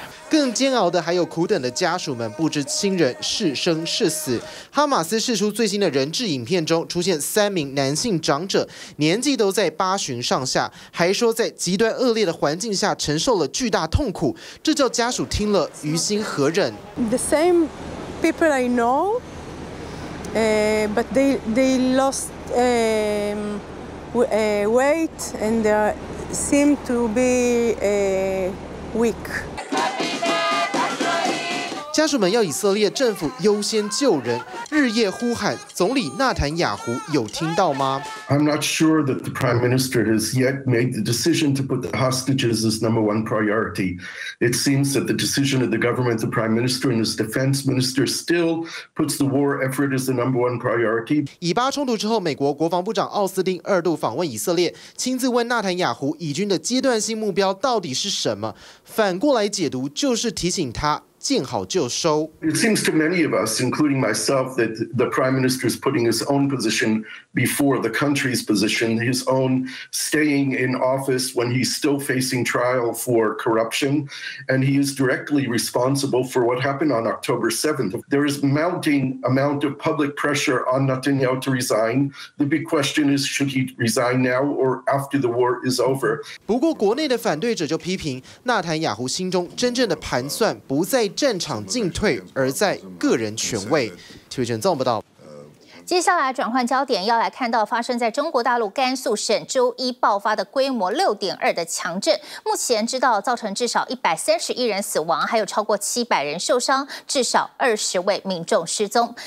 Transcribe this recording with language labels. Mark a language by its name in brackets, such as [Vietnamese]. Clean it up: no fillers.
[Chinese] 更煎熬的还有苦等的家属们，不知亲人是生是死。哈马斯释出最新的人质影片中，出现三名男性长者，年纪都在八旬上下，还说在极端恶劣的环境下承受了巨大痛苦，这叫家属听了于心何忍。 [English] The same people I know, but they lost weight and they seem to be weak. [Chinese] 家属们要以色列政府优先救人，日夜呼喊。总理纳坦雅胡有听到吗 [English] ？I'm not sure that the prime minister has yet made the decision to put the hostages as number one priority. It seems that the decision of the government, the prime minister and his defense minister still puts the war effort as the number one priority. [Chinese] 以巴冲突之后，美国国防部长奥斯汀二度访问以色列，亲自问纳坦雅胡以军的阶段性目标到底是什么。反过来解读，就是提醒他。见好就收。 [English] It seems to many of us, including myself, that the prime minister is putting his own position before the country's position. His own staying in office when he's still facing trial for corruption, and he is directly responsible for what happened on October 7th. There is mounting amount of public pressure on Netanyahu to resign. The big question is, should he resign now or after the war is over? [Chinese] 不过，国内的反对者就批评纳坦雅胡心中真正的盘算不在。战场进退，而在个人权位。体育圈做不到。接下来转换焦点，要来看到发生在中国大陆甘肃省周一爆发的规模 6.2 的强震，目前知道造成至少131人死亡，还有超过700人受伤，至少20位民众失踪。